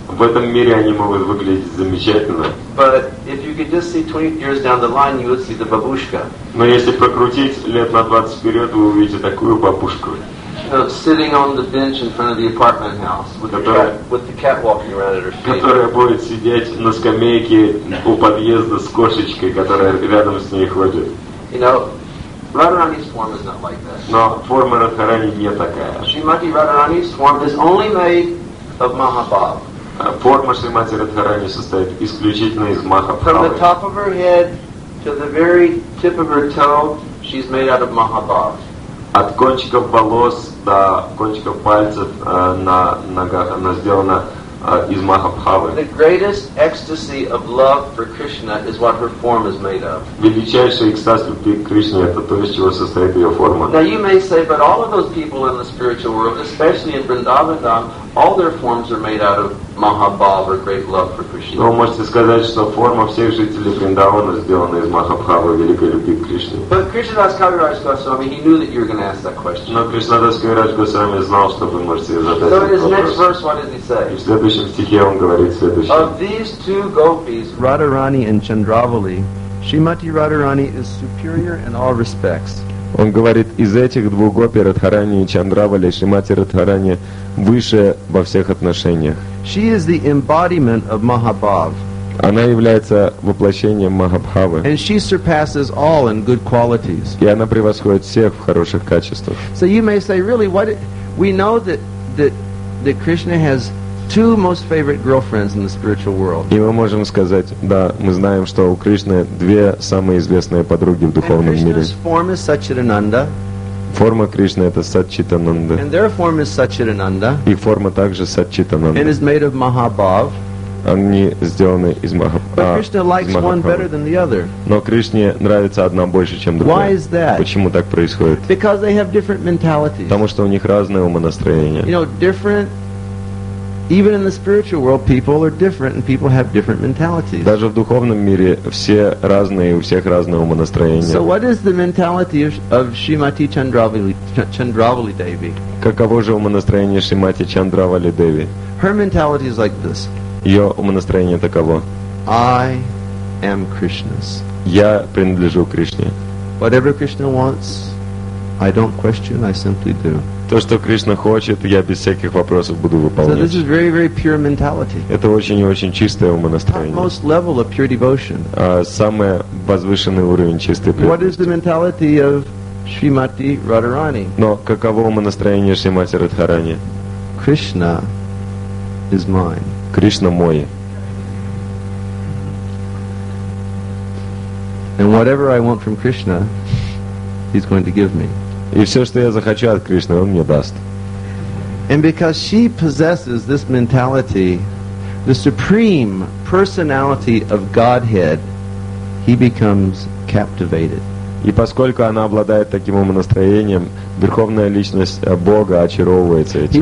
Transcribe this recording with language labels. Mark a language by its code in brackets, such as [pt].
[ru] В этом мире они могут выглядеть замечательно. [en] But if you could just see 20 years down the line, you would see the babushka. [ru] Но если прокрутить лет на 20 вперед, вы увидите такую бабушку. [en] Sitting on the bench in front of the apartment house with the cat walking around at her feet. [ru] Которая будет сидеть на скамейке у подъезда с кошечкой, которая рядом с ней ходит. [en] You know, Radharani's form is not like that. [ru] Но форма Радхарани не такая. [en] Srimati Radharani's form is only made of Mahabhav. [ru] Форма Srimati Radharani состоит исключительно из Mahabhava. [en] From the top of her head to the very tip of her toe, she's made out of Mahabhav. [ru] От кончиков волос до кончиков пальцев на ногах она сделана из Махабхавы. [en] The greatest ecstasy of love for Krishna is what her form is made of. [ru] Величайший экстаз любви к Кришне — это то, из чего состоит ее форма. [en] Now you may say, but all of those people in the spiritual world, especially in Vrindavan Dham, all their forms are made out of Mahabhava, great love for Krishna. [ru] Вы можете сказать, что форма всех жителей Вриндавана сделана из Махабхавы, великой любви к Кришне. [en] But Krishnadas Kaviraj Goswami, he knew that you were going to ask that question. [ru] Но Кришнадас Кавирадж Госвами знал, что вы можете задать этот вопрос. [en] So in his next verse, what does he say? [ru] В следующем стихе он говорит следующее. [en] Of these two gopis, Radharani and Chandravali, Shrimati Radharani is superior in all respects. [ru] Он говорит, из этих двух гопи, Радхарани и Чандравали, Шримати Радхарани выше во всех отношениях. [en] She is the embodiment of Mahabhav. [ru] Она является воплощением Махабхавы. [en] And she surpasses all in good qualities. [ru] И она превосходит всех в хороших качествах. [en] So you may say, really, what it, we know that Krishna has two most favorite girlfriends in the spiritual world. [ru] И мы можем сказать, да, мы знаем, что у Кришны две самые известные подруги в духовном мире. [en] Krishna's form is Satchitananda. [ru] Форма Кришны — это Сатчитананда. [en] And their form is Satchitananda. [ru] И форма также Сатчитананда. [en] And is made of Mahabhav. [ru] Они сделаны из Махабхавы. [en] But Krishna likes one better than the other. [ru] Но Кришне нравится одна больше, чем другая. [en] Why is that? [ru] Почему так происходит? [en] Because they have different mentalities. [ru] Потому что у них разное умонастроение. [en] You know, different. Even in the spiritual world, people are different, and people have different mentalities. [ru] Даже в духовном мире все разные, у всех разное умонастроение. [en] So what is the mentality of Shrimati Chandravali Devi? [ru] Каково же умонастроение Шримати Чандравали Деви? [en] Her mentality is like this. [ru] Ее умонастроение таково. [en] I am Krishna's. [ru] Я принадлежу Кришне. [en] Whatever Krishna wants, I don't question, I simply do. [ru] То, что Кришна хочет, я без всяких вопросов буду выполнять. [en] So this is very, very pure mentality. [ru] Это очень и очень чистое умонастроение. [en] Most level of pure devotion. [ru] Самый возвышенный уровень чистой преданности. [en] What is the mentality of Shrimati Radharani? [ru] Но каково умонастроение Шримати Радхарани? [en] Krishna is mine. [ru] Кришна мой. [en] And whatever I want from Krishna, he's going to give me. [ru] И все, что я захочу от Кришны, Он мне даст. [en] And because she possesses this mentality, the supreme personality of Godhead, he becomes captivated. [ru] И поскольку она обладает таким умонастроением, верховная личность Бога очаровывается этим.